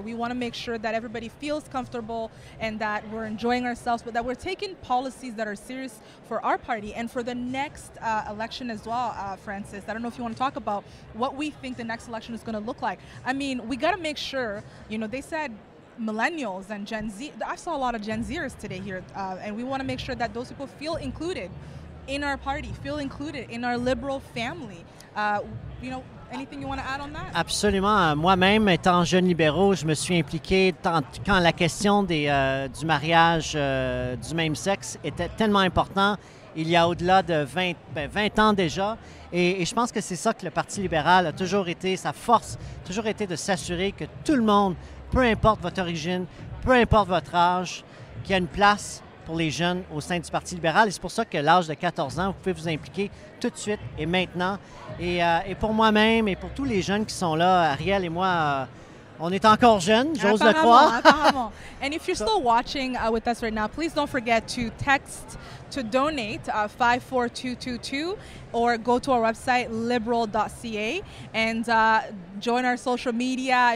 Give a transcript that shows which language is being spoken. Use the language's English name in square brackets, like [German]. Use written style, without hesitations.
[English] We want to make sure that everybody feels comfortable and that we're enjoying ourselves, but that we're taking policies that are serious for our party and for the next election as well, Francis. I don't know if you want to talk about what we think the next election is going to look like. I mean, we got to make sure, you know, they said, millennials and Gen Z. I saw a lot of Gen Zers today here, and we want to make sure that those people feel included in our party, feel included in our liberal family. You know, anything you want to add on that? [French] Absolument. Moi-même, étant jeune libéraux, je me suis impliqué tant, quand la question des, du mariage du même sexe était tellement important il y a au-delà de 20 ans déjà. Et je pense que c'est ça que le Parti libéral a toujours été, sa force, toujours été de s'assurer que tout le monde, peu importe votre origine, peu importe votre âge, qu'il y a une place pour les jeunes au sein du Parti libéral. Et c'est pour ça que l'âge de 14 ans, vous pouvez vous impliquer tout de suite et maintenant. Et pour moi-même et pour tous les jeunes qui sont là, Ariel et moi, on est encore jeunes, j'ose le croire. [English] And if you're still watching with us right now, please don't forget to text to donate 54222 or go to our website liberal.ca and join our social media.